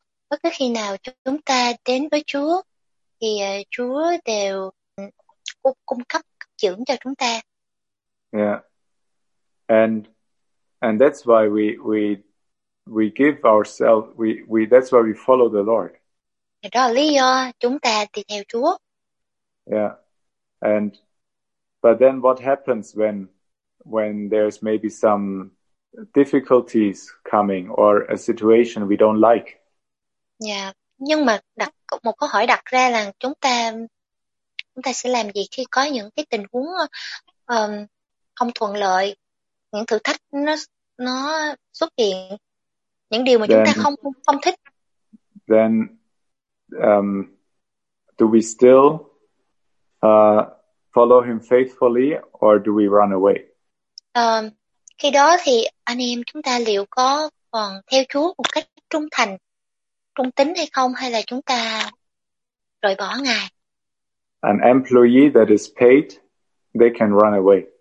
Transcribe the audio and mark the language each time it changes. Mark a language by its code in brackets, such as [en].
[vi] Bất cứ khi nào chúng ta đến với Chúa thì Chúa đều cung cấp dưỡng cho chúng ta. [en] Yeah. And that's why we give ourselves we that's why we follow the Lord. [vi] Đó là lý do chúng ta đi theo Chúa. [en] Yeah. And but then what happens when there's maybe some difficulties coming or a situation we don't like? Yeah. [vi] Nhưng mà một câu hỏi đặt ra là chúng ta sẽ làm gì khi có những cái tình huống không thuận lợi, những thử thách nó xuất hiện, những điều mà [en] then, [vi] chúng ta không thích. [en] Then do we still follow him faithfully or do we run away? [vi] Khi đó thì anh em chúng ta liệu có còn theo Chúa một cách trung thành, trung tín hay không, hay là chúng ta rời bỏ Ngài? [en] An employee that is paid, they can run away.